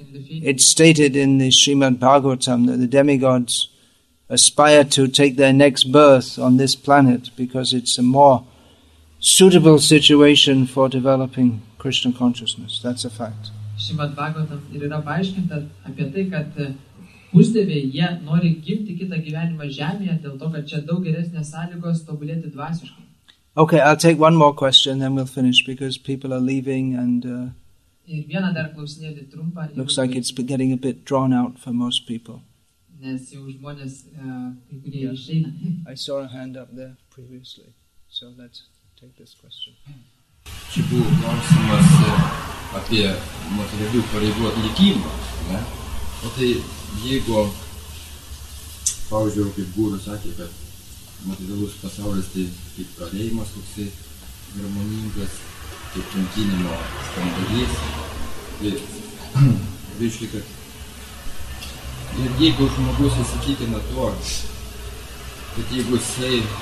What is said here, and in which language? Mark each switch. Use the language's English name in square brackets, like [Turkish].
[English] It's stated in the Srimad Bhagavatam that the demigods aspire to take their next birth on this planet because it's a more suitable situation for developing Krishna consciousness. That's a fact. [Lithuanian] Srimad Bhagavatam ir yra paaiškinta apie tai, kad pusdieviai jie nori gimti kitą gyvenimą žemėje dėl to, kad čia daug geresnės sąlygos tobulėti dvasiškai. [English] Okay, I'll take one more question then we'll finish because people are leaving and [Lithuanian] ir vieną dar klausinėlį trumpą. [English] Looks like it's getting a bit drawn out for most people. [Lithuanian] Nes jau žmonės kai kurie išeina. [English] I saw a hand up there previously. So let's take this question. [Lithuanian] Čia buvo klausimas apie materialių pareigų atlikimą. Ne? O tai jeigu, pavyzdžiui, kaip Guru sakė, kad materialus pasaulis tai kaip kalėjimas toksai harmoningas, kaip kankinimo skandalys, tai reiškia, kad ir jeigu žmogus įsitikina tuo, kad jeigu jisai,